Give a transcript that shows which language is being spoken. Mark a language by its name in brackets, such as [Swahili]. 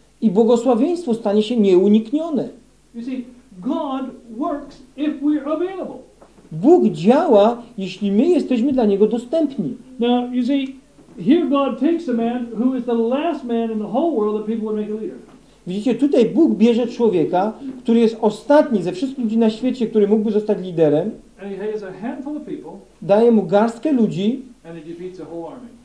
[Polish] I błogosławieństwo stanie się nieuniknione. [English] You see, God works if we're available. [Polish] Bóg działa, jeśli my jesteśmy dla Niego dostępni. [English] Now, you see, here God takes a man who is the last man in the whole world that people would make a leader. [Polish] Widzicie, tutaj Bóg bierze człowieka, który jest ostatni ze wszystkich ludzi na świecie, który mógłby zostać liderem. [English] And he has a handful of people, [Polish] daje mu garstkę ludzi [English] and he defeats a whole army.